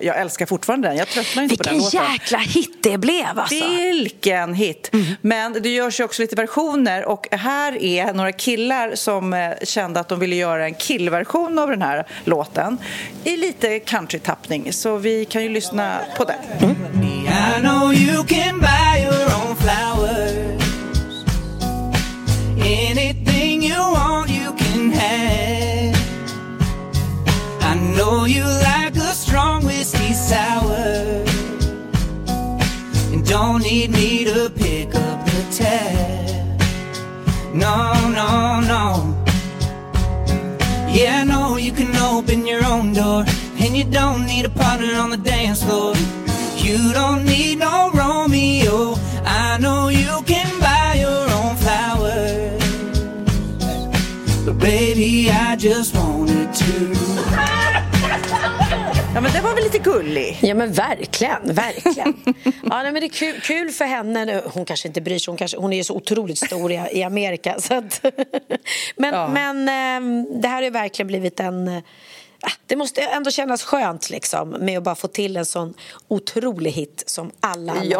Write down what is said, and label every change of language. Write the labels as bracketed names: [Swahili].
[Swedish] Jag älskar fortfarande den, jag tröttnar inte vilken på den låten. Vilken jäkla hit det blev alltså. Vilken hit. Mm. Men det görs ju också lite versioner, och här är några killar som kände att de ville göra en killversion av den här låten i lite country-tappning, så vi kan ju lyssna på den. [English] Mm. I know you can buy your own flowers. Anything you want, you can have. I know you like a strong whiskey sour, and don't need me to pick up the tab. No, no, no. Yeah, I know you you can open your own door. And you don't need a partner on the dance floor. You don't need no Romeo. I know you can buy your own flowers. But baby, I just wanted to. [Swedish] Ja, men det var väl lite gullig. Ja, men verkligen, verkligen. Ja, nej, men det är kul, kul för henne nu. Hon kanske inte bryr sig, hon är ju så otroligt stor i Amerika. Så att, men, ja. Men det här har ju verkligen blivit en... Det måste ändå kännas skönt liksom, med att bara få till en sån otrolig hit som alla ja.